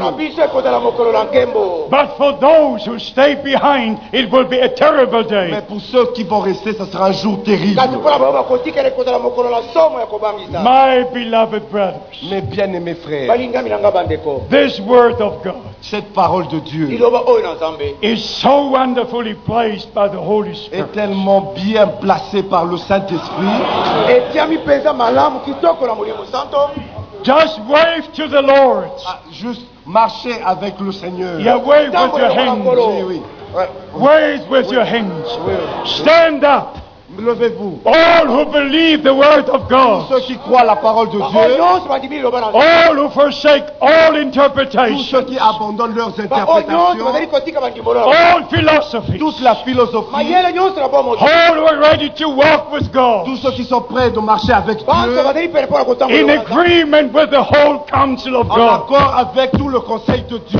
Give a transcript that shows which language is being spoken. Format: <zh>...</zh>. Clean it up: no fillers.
<en>But for those who stay behind, it will be a terrible day.</en> <fr>Mais pour ceux qui vont rester, ça sera un jour terrible.</fr> <en>My beloved brothers.</en> <fr>Mes bien-aimés frères.</fr> <en>This word of God.</en> <fr>Cette parole de Dieu</fr> <en>is so wonderfully placed by the Holy Spirit.</en> <fr>Est tellement bien placée par le Saint-Esprit.</fr> <en>Just wave to the Lord.</en> <fr>Juste marcher avec le Seigneur.</fr> <en>Yeah, wave with your hands. Wave with your hands. Stand up.</en> <fr>Levez-vous.</fr> <en>All who believe the word of God.</en> <fr>Tous ceux qui croient la parole de Dieu.</fr> <en>All who forsake all interpretations.</en> <fr>Tous ceux qui abandonnent leurs interprétations.</fr> <en>All philosophies.</en> <fr>Toute la philosophie.</fr> <en>All who are ready to walk with God.</en> <fr>Tous ceux qui sont prêts de marcher avec Dieu.</fr> <en>In agreement with the whole counsel of God.</en> <fr>En accord avec tout le conseil de Dieu.</fr>